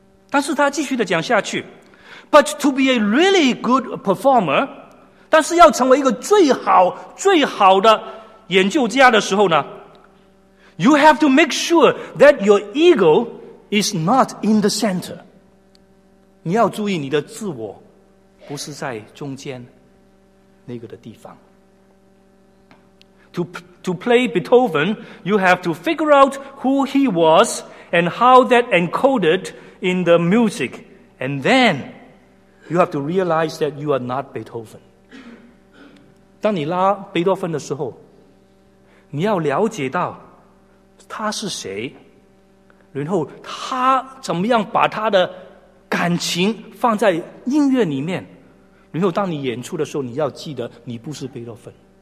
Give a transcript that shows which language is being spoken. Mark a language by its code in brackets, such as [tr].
[zh] 但是他继续的讲下去， [en] But to be a really good performer， [zh] 但是要成为一个最好最好的演奏家的时候呢， [en] You have to make sure that your ego is not in the center， [zh] 你要注意你的自我不是在中间那个的地方。 [en] To play Beethoven, you have to figure out who he was and how that encoded in the music. And then, you have to realize that you are not Beethoven. [zh] 当你拉贝多芬的时候，你要了解到他是谁，然后他怎么样把他的感情放在音乐里面，然后当你演出的时候，你要记得你不是贝多芬。